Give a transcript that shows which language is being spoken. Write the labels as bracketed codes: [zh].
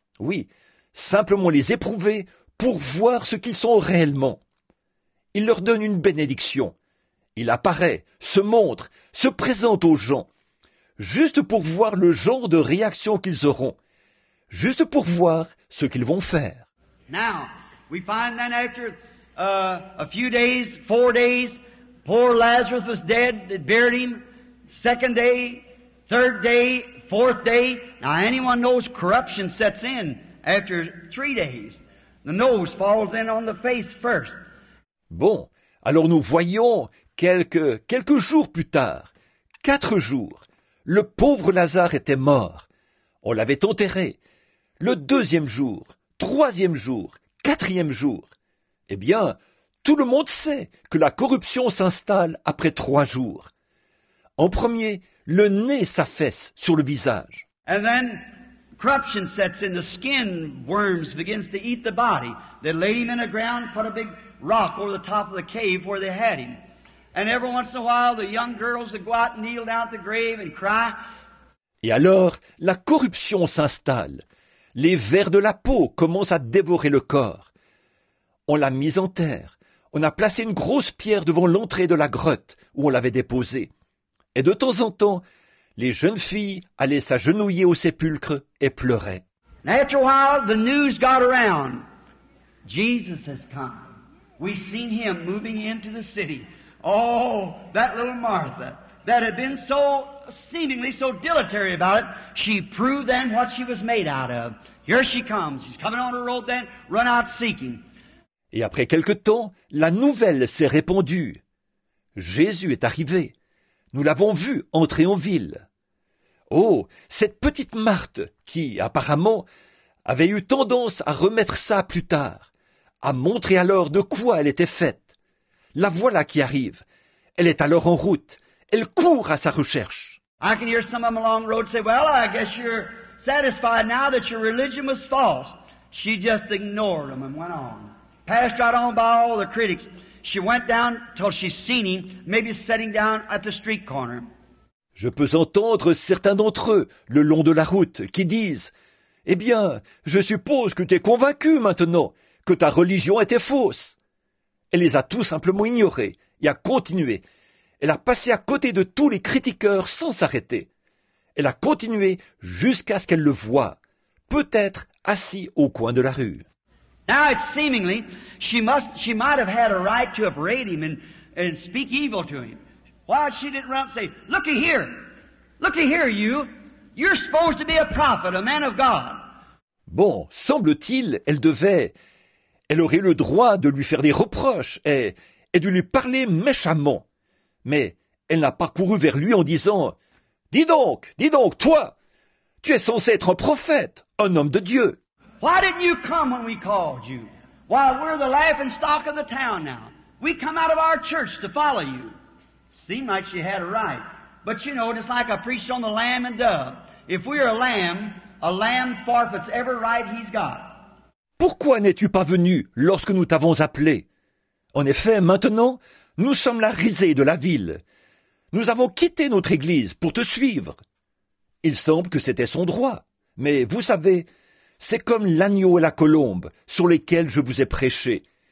[fr] Oui, simplement les éprouver pour voir ce qu'ils sont réellement. Il leur donne une bénédiction. Il apparaît, se montre, se présente aux gens. Juste pour voir le genre de réaction qu'ils auront. Juste pour voir ce qu'ils vont faire. [en] Now, we find that after a few days, 4 days, poor Lazarus was dead, they buried him. Second day, third day, fourth day. Now, anyone knows corruption sets in after 3 days. The nose falls in on the face first. [fr] Bon, alors nous voyons quelques jours plus tard, 4 jours. Le pauvre Lazare était mort. On l'avait enterré. Le 2e jour, 3e jour, 4e jour. Eh bien, tout le monde sait que la corruption s'installe après 3 jours. En premier, le nez s'affaisse sur le visage. [en] And then corruption sets in, the skin worms begins to eat the body. They laid him in the ground, put a big rock over the top of the cave where they had him. And every once in a while, the young girls would go out and kneel down at the grave and cry. [fr] Et alors, la corruption s'installe. Les vers de la peau commencent à dévorer le corps. On l'a mise en terre. On a placé une grosse pierre devant l'entrée de la grotte où on l'avait déposée. Et de temps en temps, les jeunes filles allaient s'agenouiller au sépulcre et pleuraient. [en] And after a while, the news got around. Jesus has come. We've seen him moving into the city. Oh, that little Martha, that had been so seemingly so dilatory about it, she proved then what she was made out of. Here she comes. She's coming on her road then, run out seeking. [fr] Et après quelque temps, la nouvelle s'est répandue. Jésus est arrivé. Nous l'avons vu entrer en ville. Oh, cette petite Marthe qui, apparemment, avait eu tendance à remettre ça plus tard, à montrer alors de quoi elle était faite. La voilà qui arrive. Elle est alors en route. Elle court à sa recherche. [en] I can hear some of them along the road say, "Well, I guess you're satisfied now that your religion was false." She just ignored them and went on. Passed right on by all the critics. She went down till she seen him, maybe sitting down at the street corner. [fr] Je peux entendre certains d'entre eux le long de la route qui disent, « Eh bien, je suppose que tu es convaincu maintenant que ta religion était fausse. » Elle les a tout simplement ignorés et a continué. Elle a passé à côté de tous les critiqueurs sans s'arrêter. Elle a continué jusqu'à ce qu'elle le voie, peut-être assis au coin de la rue. [en] Now it's seemingly she might have had a right to upbraid him and speak evil to him. Why she didn't run and say, looky here, you, you're supposed to be a prophet, a man of God. [fr] Bon, semble-t-il, elle aurait le droit de lui faire des reproches et de lui parler méchamment. Mais elle n'a pas couru vers lui en disant, dis donc, toi, tu es censé être un prophète, un homme de Dieu. [en] Why didn't you come when we called you? Why, we're the life and stock of the town now. We come out of our church to follow you. Seemed like she had a right. But you know, just like I preached on the lamb and dove. If we are a lamb forfeits every right he's got. [fr] Pourquoi n'es-tu pas venu lorsque nous t'avons appelé? En effet, maintenant, nous sommes la risée de la ville. Nous avons quitté notre église pour te suivre. Il semble que c'était son droit. Mais vous savez, c'est comme l'agneau et la colombe sur lesquels je vous ai prêché.